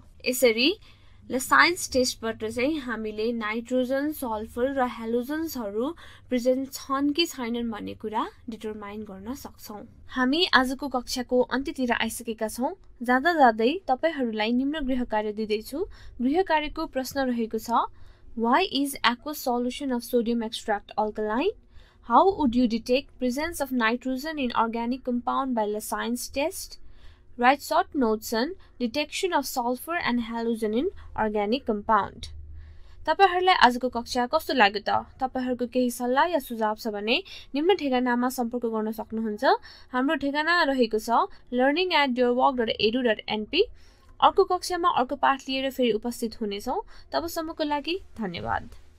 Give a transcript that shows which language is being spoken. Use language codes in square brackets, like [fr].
[ne] यसरी ल साइन्स टेस्टबाट चाहिँ हामीले नाइट्रोजन, सल्फर र हेलोजन्सहरू प्रेजेन्ट छन् कि छैनन् भन्ने कुरा डिटरमाइन गर्न सक्छौँ. हामी आजको कक्षाको अन्त्यतिर आइसकेका छौँ. जाँदा जाँदै तपाईँहरूलाई निम्न गृह कार्य दिँदैछु. गृह कार्यको प्रश्न रहेको छ, [en] Why is aqueous solution of sodium extract alkaline? How would you detect presence of nitrogen in organic compound by the science test? Write short notes on detection of sulfur and halogen in organic compound. [ne] तपाईँहरूलाई आजको कक्षा कस्तो लाग्यो त? तपाईँहरूको केही सल्लाह या सुझाव छ भने निम्न ठेगानामा सम्पर्क गर्न सक्नुहुन्छ. हाम्रो ठेगाना रहेको छ learning@deerwalk.edu.np. अर्को कक्षामा अर्को पाठ लिएर फेरि उपस्थित हुनेछौँ. तबसम्मको लागि धन्यवाद.